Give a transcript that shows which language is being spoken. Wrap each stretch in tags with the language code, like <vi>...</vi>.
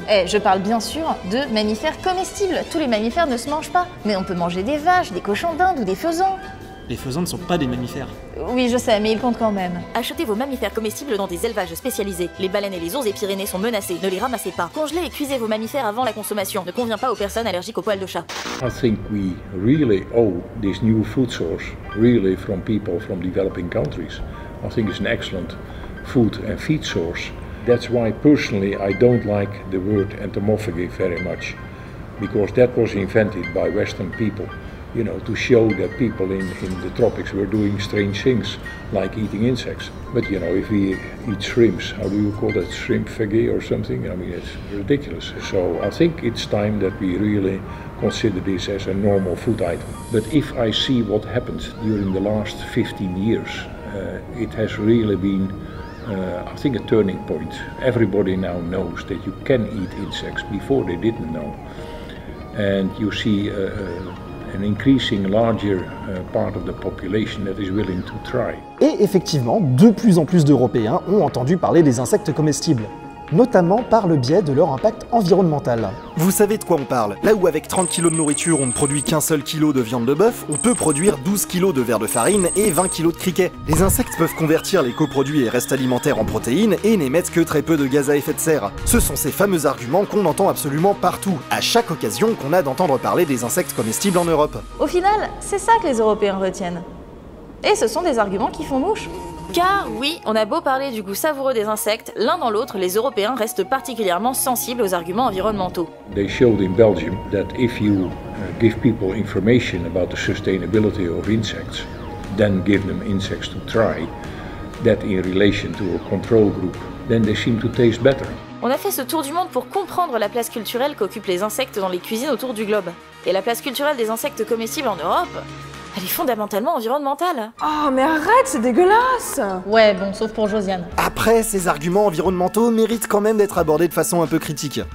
<fr>Eh, je parle bien sûr de mammifères comestibles. Tous les mammifères ne se mangent pas, mais on peut manger des vaches, des cochons d'Inde ou des faisans. Les faisans ne sont pas des mammifères. Oui, je sais, mais ils comptent quand même. Achetez vos mammifères comestibles dans des élevages spécialisés. Les baleines et les ours des Pyrénées sont menacés, ne les ramassez pas. Congelez et cuisez vos mammifères avant la consommation. Ne convient pas aux personnes allergiques aux poils de chat.</fr> <en>I think we really owe this new food source really from people from developing countries. I think it's an excellent food and feed source. That's why personally I don't like the word entomophagy very much, because that was invented by Western people, you know, to show that people in the tropics were doing strange things like eating insects. But you know, if we eat shrimps, how do you call that, shrimpfagy or something? I mean, it's ridiculous. So I think it's time that we really consider this as a normal food item. But if I see what happened during the last 15 years, it has really been I think a turning point. Everybody now knows that you can eat insects. Before they didn't know. And you see an increasing larger part of the population that is willing to try.</en> <fr>Et effectivement, de plus en plus d'Européens ont entendu parler des insectes comestibles. notamment par le biais de leur impact environnemental. Vous savez de quoi on parle. Là où avec 30 kg de nourriture, on ne produit qu'un seul kilo de viande de bœuf, on peut produire 12 kg de vers de farine et 20 kg de criquets. Les insectes peuvent convertir les coproduits et restes alimentaires en protéines et n'émettent que très peu de gaz à effet de serre. Ce sont ces fameux arguments qu'on entend absolument partout, à chaque occasion qu'on a d'entendre parler des insectes comestibles en Europe. Au final, c'est ça que les Européens retiennent. Et ce sont des arguments qui font mouche. Car oui, on a beau parler du goût savoureux des insectes, l'un dans l'autre, les Européens restent particulièrement sensibles aux arguments environnementaux.</fr> <en>They showed in Belgium that if you give people information about the sustainability of insects, then give them insects to try, that in relation to a control group, then they seem to taste better.</en> <fr>On a fait ce tour du monde pour comprendre la place culturelle qu'occupent les insectes dans les cuisines autour du globe. Et la place culturelle des insectes comestibles en Europe, elle est fondamentalement environnementale. Oh, mais arrête, c'est dégueulasse! Ouais, bon, sauf pour Josiane. Après, ces arguments environnementaux méritent quand même d'être abordés de façon un peu critique.</fr>